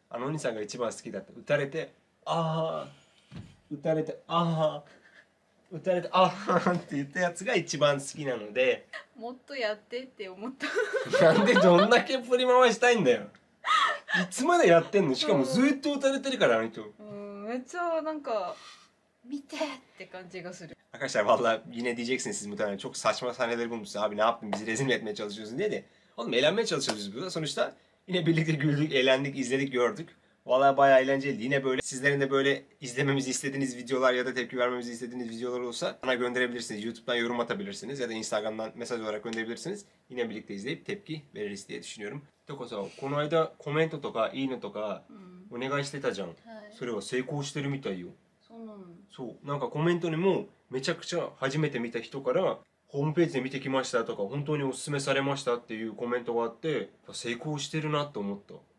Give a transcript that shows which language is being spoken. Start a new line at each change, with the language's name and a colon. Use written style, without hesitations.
Japanese: あのお兄さんが一番好きだった。撃たれて、あー、撃たれて、あー、撃たれて、あーって言ったやつが一番好きなので、もっとやってって思った。なんでどんだけ振り回したいんだよ。いつまでやってんの。しかもずっと撃たれてるから、あの人。うん、めっちゃなんか見てって感じがする。明かしたら、わら、
Turkish: yine diyecek seni sizin bu tane çok saçma sahneleri bulmuşsun. Abi ne yaptın? Bizi rezil etmeye çalışıyorsun dedi. Oğlum eğlenmeye çalışıyoruz burada. Sonuçta yine birlikte güldük, eğlendik, izledik, gördük. Vallahi bayağı eğlenceli. Yine böyle sizlerin de böyle izlememizi istediğiniz videolar ya da tepki vermemizi istediğiniz videolar olsa bana gönderebilirsiniz. YouTube'dan yorum atabilirsiniz ya da Instagram'dan mesaj olarak gönderebilirsiniz. Yine birlikte izleyip tepki veririz diye düşünüyorum.
Japanese: Tokoso, この間コメントとかいいねとかお願いしてたじゃん。それは成功してるみたいよ。そう、なんかコメントにもめちゃくちゃ初めて見た人からホームページで見てきましたとか本当におすすめされましたっていうコメントがあって、成功してるなと思った。